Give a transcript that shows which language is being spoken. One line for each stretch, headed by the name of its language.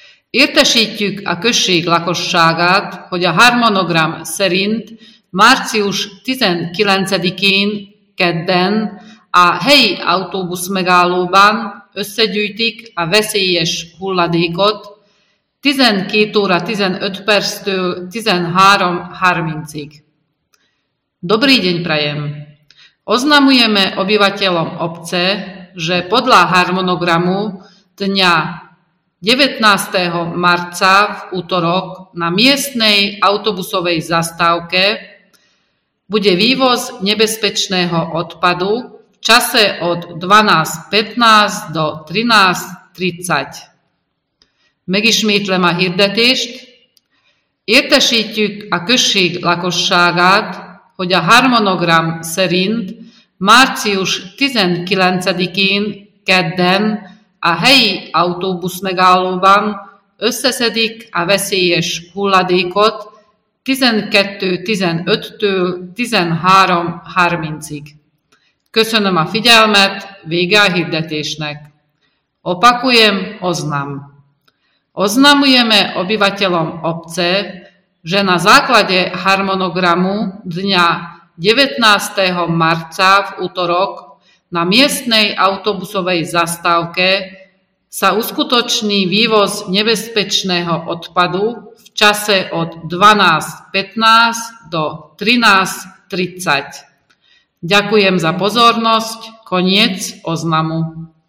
Hungarian: Értesítjük a község lakosságát, hogy a harmonogram szerint március 19-én kedden a helyi autóbusz megállóban összegyűjtik a veszélyes hulladékot 12 óra 15 perctől 13:30-ig.
Slovak: Dobrý deň prajem! Oznamujeme obyvateľom obce, že podľa harmonogramu dňa 19. marca v útorok na miestnej autobusovej zastávke bude vývoz nebezpečného odpadu v čase od 12:15 do 13:30.
Hungarian: Megismétlem a hirdetést. Értesítjük a község lakosságát, hogy a harmonogram szerint március 19-én kedden a helyi autóbusz megállóban összeszedik a veszélyes hulladékot 12:15-től 13:30-ig. Köszönöm a figyelmet, vége a hirdetésnek.
Slovak: Opakujem, oznam. Oznamujeme obyvateľom obce, že na základe harmonogramu dňa 19. marca v útorok na miestnej autobusovej zastávke sa uskutoční vývoz nebezpečného odpadu v čase od 12:15 do 13:30. Ďakujem za pozornosť. Koniec oznamu.